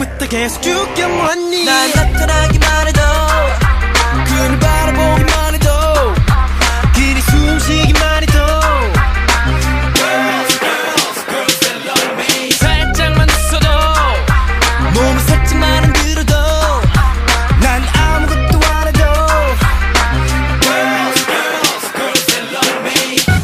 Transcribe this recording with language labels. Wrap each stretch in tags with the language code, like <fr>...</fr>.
<ko>계속 쭉 영원히 날 나타나기만 해도 그녀 바라보기만 해도 길이 숨쉬기만 해도</ko> <en>Girls, girls, girls, they love me</en> <ko>살짝만 웃어도 몸을 살짝만 흔들어도 난 아무것도 안 해도</ko> <en>Girls, girls, girls, they love me</en>